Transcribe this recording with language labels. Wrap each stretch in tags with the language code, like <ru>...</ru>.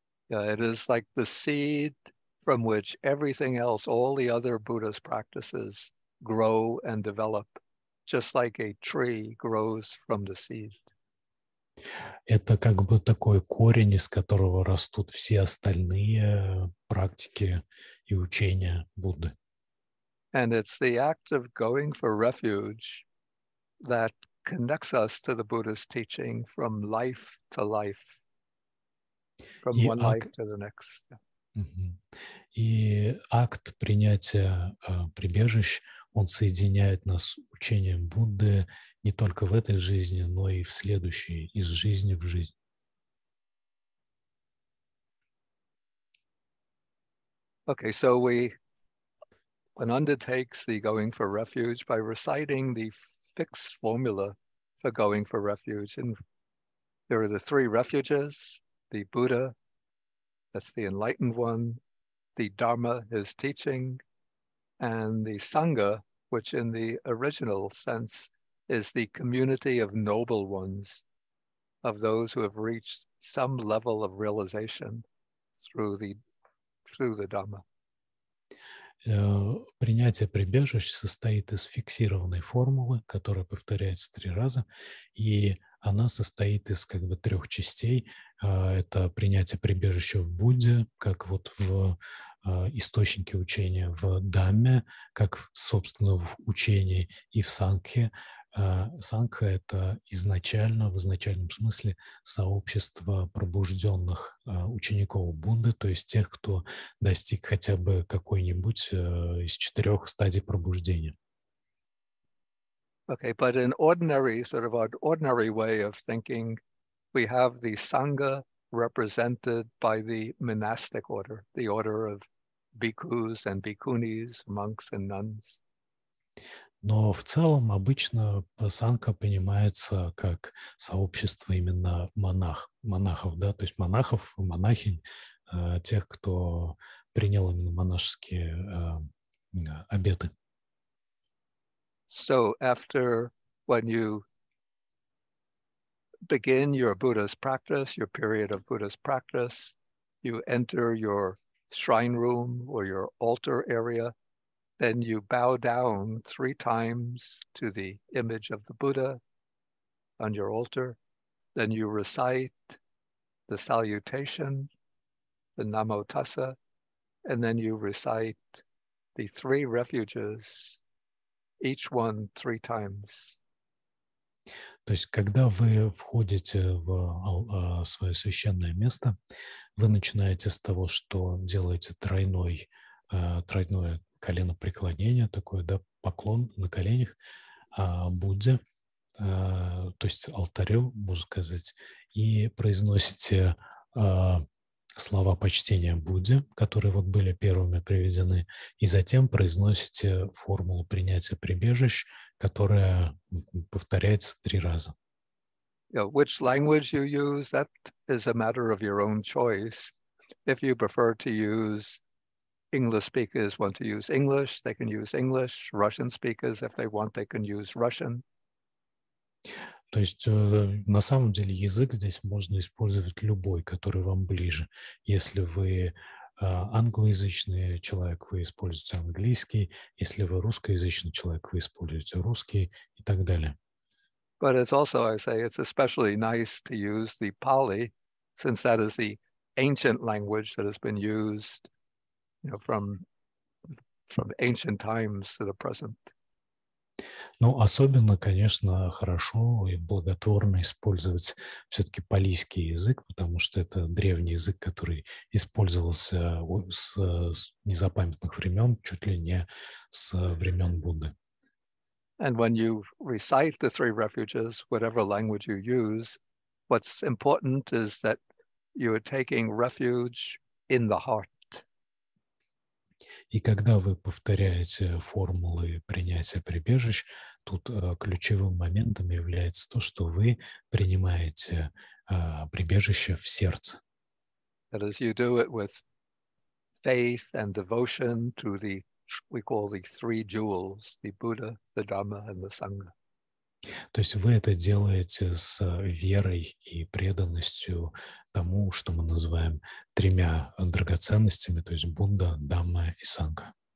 <en>Yeah, it is like the seed from which everything else, all the other Buddhist practices grow and develop, just like a tree grows from the seed.</en> <ru>Это как бы такой корень, из которого растут все остальные практики и учения Будды.</ru> <en>And it's the act of going for refuge that connects us to the Buddha's teaching from life to life, from one life to the next.</en> <ru>И акт принятия прибежищ, он соединяет нас с учением Будды не только в этой жизни, но и в следующей, из жизни в жизнь.</ru> <en>Okay, so one undertakes the going for refuge by reciting the fixed formula for going for refuge. And there are the three refuges, the Buddha, that's the enlightened one, the Dharma, his teaching, and the Sangha, which in the original sense is the community of noble ones, of those who have reached some level of realization through the Dhamma.</en> <ru>Принятие прибежищ состоит из фиксированной формулы, которая повторяется три раза, и она состоит из как бы трех частей. Это принятие прибежища в Будде, как вот в источнике учения в Дхамме, как, собственно, в учении и в Сангхе. Сангха — это изначально, в изначальном смысле, сообщество пробужденных учеников Будды, то есть тех, кто достиг хотя бы какой-нибудь из четырех стадий пробуждения.</ru> <en>Okay, but in ordinary, sort of an ordinary way of thinking, we have the Sangha represented by the monastic order, the order of bhikkhus and bhikkhunis, monks and nuns.</en> <ru>Но в целом обычно Сангха понимается как сообщество именно монахов, да, то есть монахов, монахинь, тех, кто принял именно монашеские обеты.</ru> <en>So after when you begin your Buddhist practice, your period of Buddhist practice, you enter your shrine room or your altar area, then you bow down three times to the image of the Buddha on your altar. Then you recite the salutation, the Namo Tassa, and then you recite the three refuges, each one three times.</en> <ru>То То есть, когда вы входите в свое священное место, вы начинаете с того, что делаете тройное коленопреклонение, такое, да, поклон на коленях Будде, то есть алтарю, можно сказать, и произносите слова почтения Будде, которые вот были первыми приведены, и затем произносите формулу принятия прибежищ, которая повторяется три раза.</ru> <en>Yeah, which language you use, that is a matter of your own choice. If you prefer to use English speakers want to use English, they can use English. Russian speakers, if they want, they can use Russian.</en> <ru>То есть на самом деле язык здесь можно использовать любой, который вам ближе. Если вы англоязычный человек, вы используете английский. Если вы русскоязычный человек, вы используете русский и так далее.</ru> <en>But it's also, I say, it's especially nice to use the Pali, since that is the ancient language that has been used, you know, from ancient times to the present.</en> <ru>Ну, особенно, конечно, хорошо и благотворно использовать все-таки палийский язык, потому что это древний язык, который использовался с незапамятных времен, чуть ли не с времен Будды.</ru> <en>And when you recite the three refuges, whatever language you use, what's important is that you are taking refuge in the heart.</en> <ru>И когда вы повторяете формулы принятия прибежищ, тут ключевым моментом является то, что вы принимаете прибежище в сердце.</ru> <en>That is, you do it with faith and devotion to the, we call the three jewels, the Buddha, the Dhamma and the Sangha.</en> <ru>То есть вы это делаете с верой и преданностью тому, что мы называем тремя драгоценностями, то есть Будда, Дхамма и Сангха.</ru>